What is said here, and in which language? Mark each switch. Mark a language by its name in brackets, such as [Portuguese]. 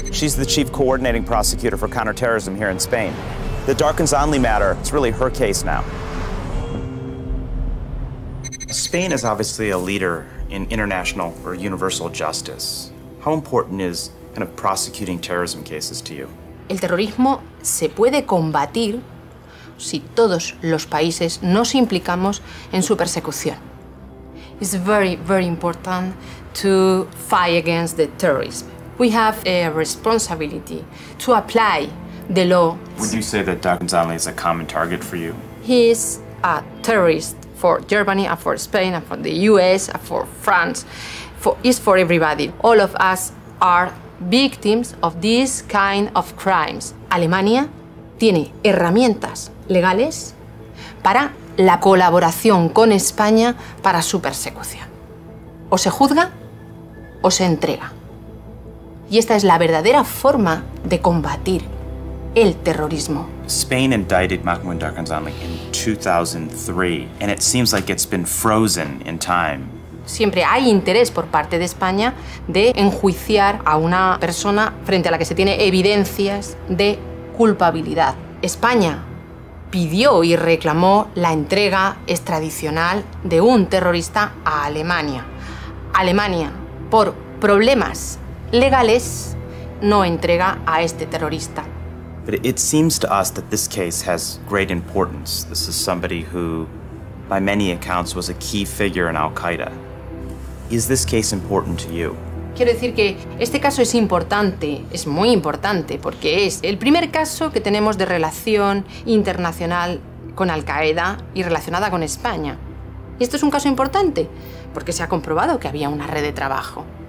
[English] She's the chief coordinating prosecutor for counterterrorism here in Spain. The Darkazanli matter, it's really her case now. Spain is obviously a leader in international or universal justice. How important is kind of prosecuting terrorism cases to you? [Spanish] El terrorismo se puede combatir si todos los países nos implicamos en su persecución. [English] It's very, very important to fight against the terrorism. We have a responsibility to apply the law. Would you say that Darkazanli is a common target for you? He is a terrorist for Germany and for Spain and for the US and for France. It's for everybody. All of us are victims of this kind of crimes. [Spanish] Alemania tiene herramientas legales para la colaboración con España para su persecución. O se juzga o se entrega. Y esta es la verdadera forma de combatir el terrorismo. [English] Spain indicted Mamoun Darkazanli in 2003, and it seems like it's been frozen in time. [Spanish] Siempre hay interés por parte de España de enjuiciar a una persona frente a la que se tiene evidencias de culpabilidad. España pidió y reclamó la entrega extradicional de un terrorista a Alemania. Alemania, por problemas legales, no entrega a este terrorista. [English] But it seems to us that this case has great importance. This is somebody who, by many accounts, was a key figure in al-Qaeda. Is this case important to you? [Spanish] Quiero decir que este caso es importante, es muy importante, porque es el primer caso que tenemos de relación internacional con Al-Qaeda y relacionada con España. Y esto es un caso importante, porque se ha comprobado que había una red de trabajo.